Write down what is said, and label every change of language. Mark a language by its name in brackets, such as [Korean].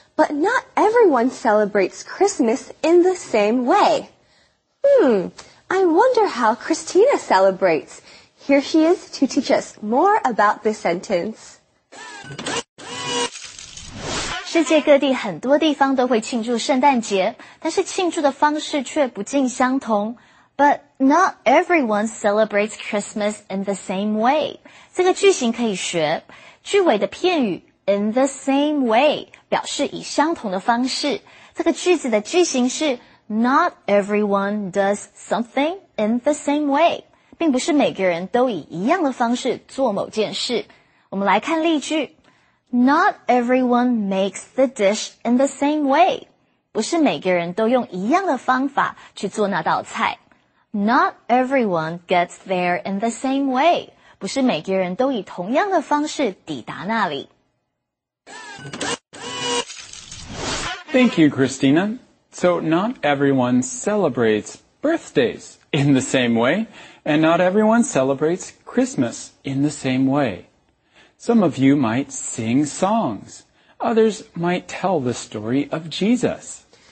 [English] But not everyone celebrates Christmas in the same way. I wonder how Christina celebrates. Here she is to teach us more about this sentence. [Chinese] 世界各地很多地方都会庆祝圣诞节，但是庆祝的方式却不尽相同。 [English] But not everyone celebrates Christmas in the same way. [Chinese] 这个句型可以学，句尾的片语 [English] in the same way [Chinese] 表示以相同的方式。这个句子的句型是 [English] not everyone does something in the same way， [Chinese] 并不是每个人都以一样的方式做某件事。我们来看例句。 [English] Not everyone makes the dish in the same way. [Chinese] 不是每个人都用一样的方法去做那道菜。 [English] Not everyone gets there in the same way. [Chinese] 不是每个人都以同样的方式抵达那里。 [English] Thank you, Christina. So not everyone celebrates birthdays in the same way, and not everyone celebrates Christmas in the same way. Some of you might sing songs. Others might tell the story of Jesus.